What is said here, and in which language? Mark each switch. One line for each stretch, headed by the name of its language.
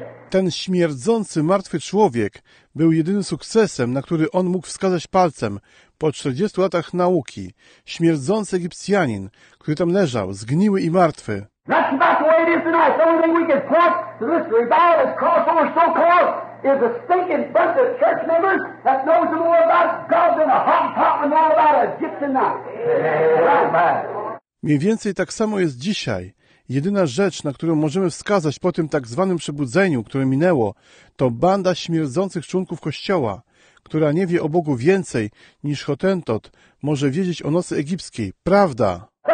Polish: Ten śmierdzący martwy człowiek był jedynym sukcesem, na który on mógł wskazać palcem po 40 latach nauki. Śmierdzący Egipcjanin, który tam leżał, zgniły i martwy.
English: That's about the way it is tonight. The only thing we can point to this revival that's crossed over so close is a stinking bunch of church members that knows more about God than a hottentot would know about an Egyptian knife. Amen.
Polish: Mniej więcej tak samo jest dzisiaj. Jedyna rzecz, na którą możemy wskazać po tym tak zwanym przebudzeniu, które minęło, to banda śmierdzących członków Kościoła, która nie wie o Bogu więcej niż hotentot może wiedzieć o nocy egipskiej. Prawda!